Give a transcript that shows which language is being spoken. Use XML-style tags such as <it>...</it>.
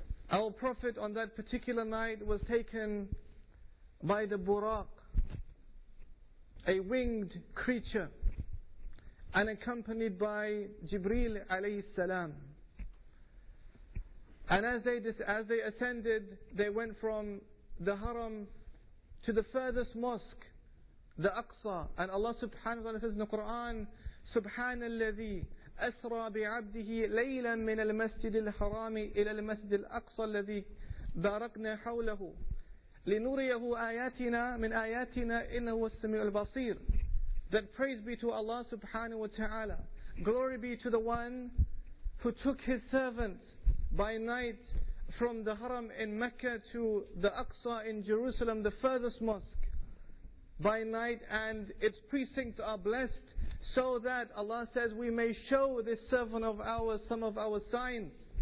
<en>Our Prophet on that particular night was taken by the Buraq, a winged creature, and accompanied by Jibreel alayhi salam. And as they ascended, they went from the Haram to the furthest mosque, the Aqsa. And Allah subhanahu wa ta'ala says in the Quran,</en> <ar>Subhanalladhi أسرى بعبده ليلا من المسجد الحرام إلى المسجد الأقصى الذي باركنا حوله لنريه آياتنا من آياتنا إنه السميع البصير.</ar> <en>That praise be to Allah subhanahu wa ta'ala. Glory be to the one who took his servant by night from the Haram in Mecca to the Aqsa in Jerusalem, the furthest mosque, by night, and its precincts are blessed, so that Allah says we may show this servant of ours some of our signs.</en>